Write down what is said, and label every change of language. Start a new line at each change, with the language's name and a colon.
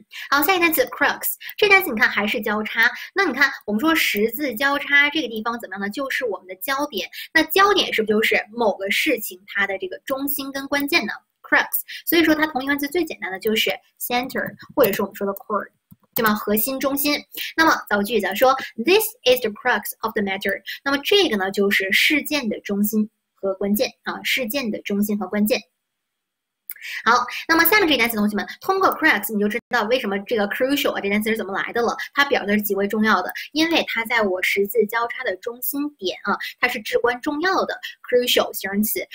Chinese: 好，下一个字 crux，这单词你看还是交叉。那你看，我们说十字交叉这个地方怎么样呢？就是我们的焦点。那焦点是不是就是某个事情它的这个中心跟关键呢？crux，所以说它同一个字最简单的就是 center，或者是我们说的 core。对吗？核心、中心。那么造句子说，
English: This is the crux of the matter。
Chinese: 那么这个呢，就是事件的中心和关键啊，事件的中心和关键。好，那么下面这个单词，同学们通过 crux 你就知道为什么这个 crucial 啊这单词是怎么来的了。它表示是极为重要的，因为它在我十字交叉的中心点啊，它是至关重要的 crucial 形容词。